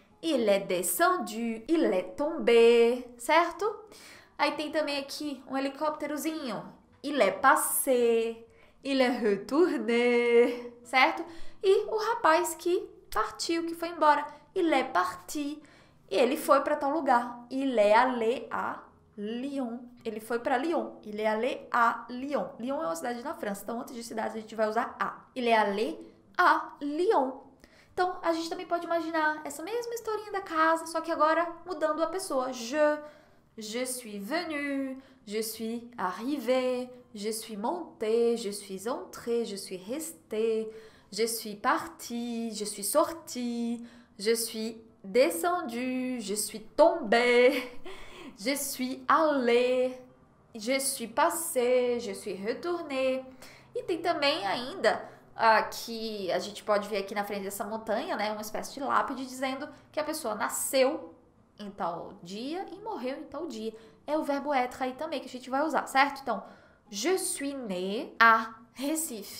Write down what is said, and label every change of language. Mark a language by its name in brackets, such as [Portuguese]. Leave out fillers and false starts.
[French] Il est descendu, il est tombé. [Portuguese] Certo? Aí tem também aqui um helicópterozinho. [French] Il est passé. Il est retourné. [Portuguese] Certo? E o rapaz que partiu, que foi embora. [French] Il est parti. [Portuguese] E ele foi para tal lugar. [French] Il est allé à Lyon. [Portuguese] Ele foi para Lyon. [French] Il est allé à Lyon. [Portuguese] Lyon é uma cidade na França. Então, antes de cidade, a gente vai usar à. [French] Il est allé à Lyon. [Portuguese] Então, a gente também pode imaginar essa mesma historinha da casa, só que agora mudando a pessoa. [French] Je suis venu, je suis arrivé, je suis monté, je suis entré, je suis resté, je suis parti, je suis sorti, je suis descendu, je suis tombé, je suis allé, je suis passé, je suis retourné. [Portuguese] E tem também ainda aqui, a gente pode ver aqui na frente dessa montanha, né, uma espécie de lápide dizendo que a pessoa nasceu em tal dia e morreu em tal dia. É o verbo être aí também que a gente vai usar, certo? Então, [French] je suis né à Recife.